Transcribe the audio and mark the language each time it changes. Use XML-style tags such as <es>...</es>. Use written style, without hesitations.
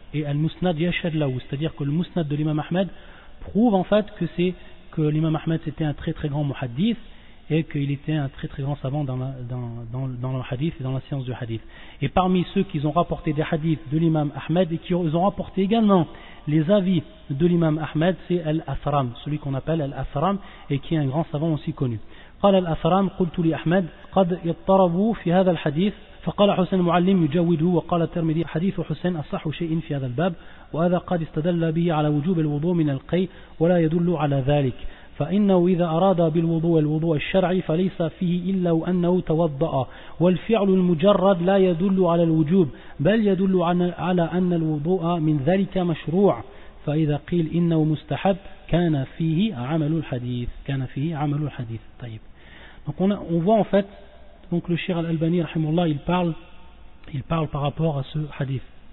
<fr>Et</fr> <ar>al-musnad yashhad lahu,</ar> <fr>c'est-à-dire que le musnad de l'imam Ahmed prouve en fait que l'imam Ahmed c'était un très très grand muhadith et qu'il était un très très grand savant dans le hadith et dans la science du hadith. Et parmi ceux qui ont rapporté des hadiths de l'imam Ahmed et qui ont rapporté également les avis de l'imam Ahmed, c'est al-Asram, celui qu'on appelle al-Asram et qui est un grand savant aussi connu.</fr> <ar>قال الأثرام قلت لي أحمد قد اضطربوا في هذا الحديث فقال حسين المعلم يجوده وقال الترمذي حديث حسين أصح شيء في هذا الباب وهذا قد استدل به على وجوب الوضوء من القي ولا يدل على ذلك فإنه إذا أراد بالوضوء الوضوء الشرعي فليس فيه إلا أنه توضأ والفعل المجرد لا يدل على الوجوب بل يدل على أن الوضوء من ذلك مشروع فإذا قيل إنه مستحب كان فيه عمل الحديث كان فيه عمل الحديث. طيب.</ar> <fr>Donc on voit en fait, donc le Cheikh Al-Albani rahimullah, il parle par rapport à ce hadith.</fr>